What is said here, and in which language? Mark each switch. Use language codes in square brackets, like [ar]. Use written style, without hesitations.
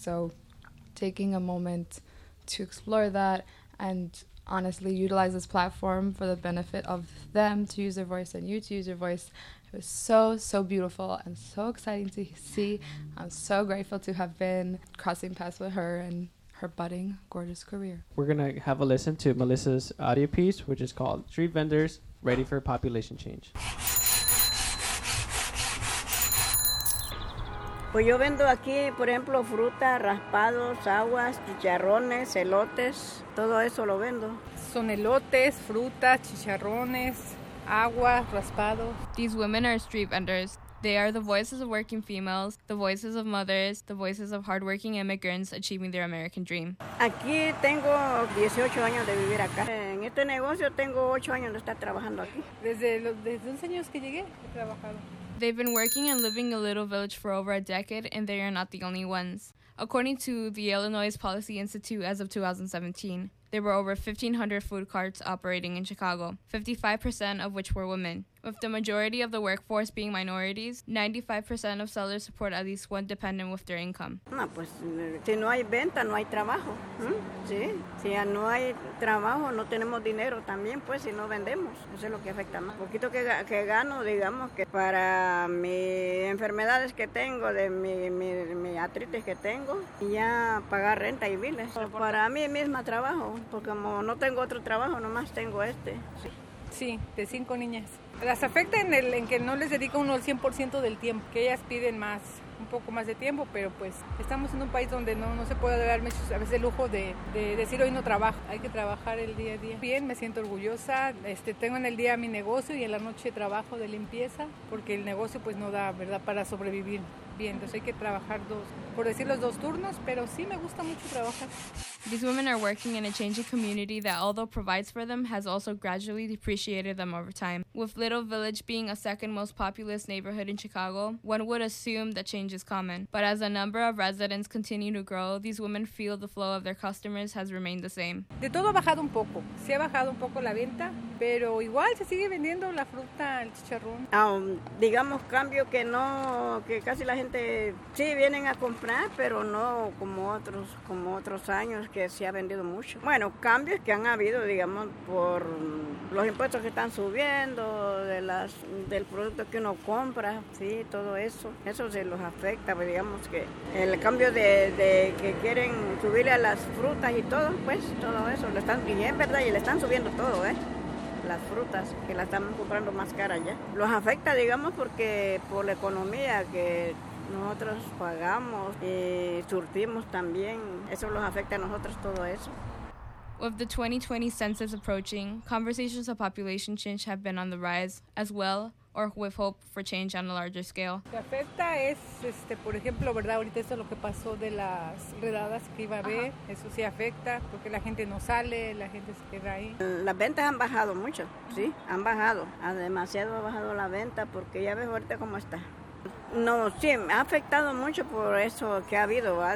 [en] So taking a moment to explore that and honestly utilize this platform for the benefit of them to use their voice and you to use your voice, it was so, so beautiful and so exciting to see. I'm so grateful to have been crossing paths with her and her budding, gorgeous career. We're going to have a listen to Melissa's audio piece, which is called Street Vendors Ready for Population Change. [es] Pues yo vendo aquí, por ejemplo, fruta, raspados, aguas, chicharrones, elotes, todo eso lo vendo. Son elotes, frutas, chicharrones, agua, raspado. [en] These women are street vendors. They are the voices of working females, the voices of mothers, the voices of hardworking immigrants achieving their American dream. [es] Aquí tengo 18 años de vivir acá. En este negocio tengo 8 años de estar trabajando aquí. Desde los años que llegué he trabajado. [en] They've been working and living in a little village for over a decade, and they are not the only ones. According to the Illinois Policy Institute, as of 2017, there were over 1,500 food carts operating in Chicago, 55% of which were women. With the majority of the workforce being minorities, 95% of sellers support at least one dependent with their income. [es] No, pues, si no hay venta, no hay trabajo. Sí. Si no hay trabajo, no tenemos dinero también, pues, si no vendemos. Eso es lo que afecta más. Poquito que gano, digamos, que para mis enfermedades que tengo, de mi artritis que tengo, ya pagar renta y biles. Para mí misma trabajo, porque como no tengo otro trabajo, nomás tengo este. Sí. Sí, de 5 niñas. Las afecta en que no les dedica uno el 100% del tiempo, que ellas piden más, un poco más de tiempo, pero pues estamos en un país donde no se puede dar a veces el lujo de decir hoy no trabajo, hay que trabajar el día a día. Bien, me siento orgullosa, tengo en el día mi negocio y en la noche trabajo de limpieza, porque el negocio pues no da, ¿verdad?, para sobrevivir. bien. Entonces hay que trabajar dos, por decir los dos turnos, pero sí me gusta mucho trabajar. [en] These women are working in a changing community that, although provides for them, has also gradually depreciated them over time. With Little Village being a second most populous neighborhood in Chicago, one would assume that change is common. But as the number of residents continue to grow, these women feel the flow of their customers has remained the same. [es] De todo ha bajado un poco. Se ha bajado un poco la venta, pero igual se sigue vendiendo la fruta, el chicharrón. Digamos, cambio que no, que casi la gente, sí, vienen a comprar, pero no como otros años. Que se ha vendido mucho. Bueno, cambios que han habido, digamos, por los impuestos que están subiendo, del producto que uno compra, sí, todo eso. Eso se los afecta, pues digamos que el cambio de que quieren subirle a las frutas y todo, pues todo eso. Lo están, y es verdad, y le están subiendo todo, ¿eh? Las frutas que la están comprando más cara ya. Los afecta, digamos, porque por la economía que nosotros pagamos y surtimos también, eso los afecta a nosotros todo eso. [en] With the 2020 census approaching, conversations of population change have been on the rise as well, or with hope for change on a larger scale. [es] Lo que afecta es, por ejemplo, ¿verdad? Ahorita eso es lo que pasó de las redadas que iba a haber, uh-huh. Eso sí afecta porque la gente no sale, la gente se queda ahí. Las ventas han bajado mucho, sí, han bajado, demasiado ha bajado la venta porque ya ves ahorita cómo está. No, sí, me ha afectado mucho por eso que ha habido, ¿va?